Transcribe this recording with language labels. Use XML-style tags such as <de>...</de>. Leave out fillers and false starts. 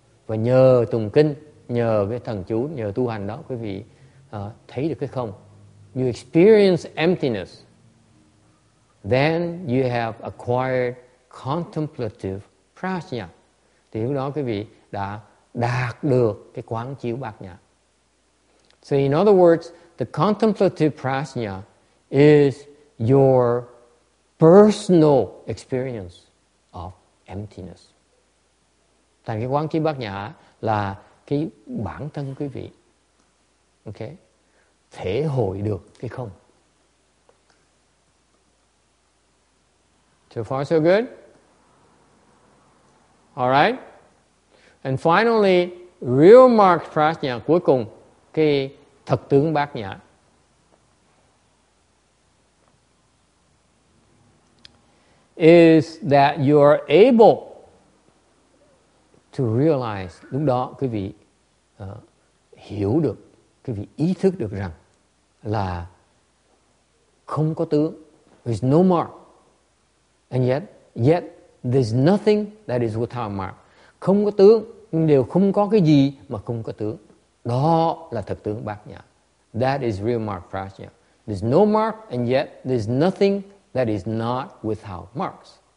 <vi>Và nhờ tụng kinh, nhờ cái thần chú, nhờ tu hành đó, quý vị thấy được cái không.</vi> <en>You experience emptiness. Then you have acquired contemplative prajna.</en> <vi>Thì lúc đó quý vị đã đạt được cái quán chiếu bát nhã.</vi> <en>So in other words, the contemplative prajna is your personal experience of emptiness.</en> <vi>Thành cái quán chiếu bát nhã là cái bản thân quý vị, ok, thể hội được cái không.</vi> <en>So far so good? All right. And finally, real marked prajna,</en> <vi>cuối cùng, cái thật tướng bát nhã.</vi> <en>Is that you are able to realize,</en> <vi>lúc đó quý vị hiểu được, quý vị ý thức được rằng là không có tướng,</vi> <en>there's no mark. And yet, there's nothing that is without mark.</en> <vi>Không có tướng, nhưng đều không có cái gì mà không có tướng. Đó là thực tướng bát nhã.</vi> <en>That is real mark prajna. There's no mark, and yet there's nothing that is not without marks.</en>